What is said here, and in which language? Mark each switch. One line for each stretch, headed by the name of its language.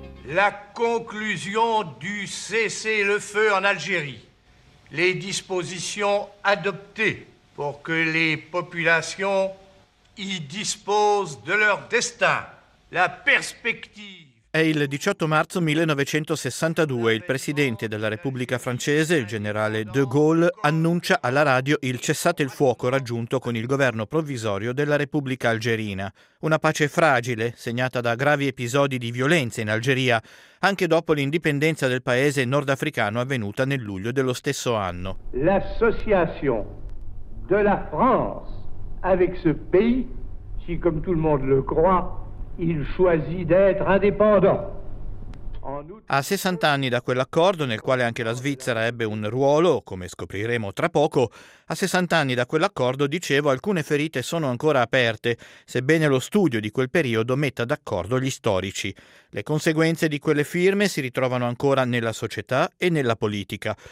French: La conclusion du cessez-le-feu en Algérie. Les dispositions adoptées pour que les populations y disposent de leur destin. La perspective.
Italian: È il 18 marzo 1962, il presidente della Repubblica Francese, il generale de Gaulle, annuncia alla radio il cessate il fuoco raggiunto con il governo provvisorio della Repubblica Algerina. Una pace fragile, segnata da gravi episodi di violenza in Algeria, anche dopo l'indipendenza del paese nordafricano avvenuta nel luglio dello stesso anno.
French: L'association de la France avec ce pays, si comme tout le monde le croit, il choisit d'être indépendant.
Italian: A 60 anni da quell'accordo, nel quale anche la Svizzera ebbe un ruolo, come scopriremo tra poco, a 60 anni da quell'accordo, dicevo, alcune ferite sono ancora aperte, sebbene lo studio di quel periodo metta d'accordo gli storici. Le conseguenze di quelle firme si ritrovano ancora nella società e nella politica.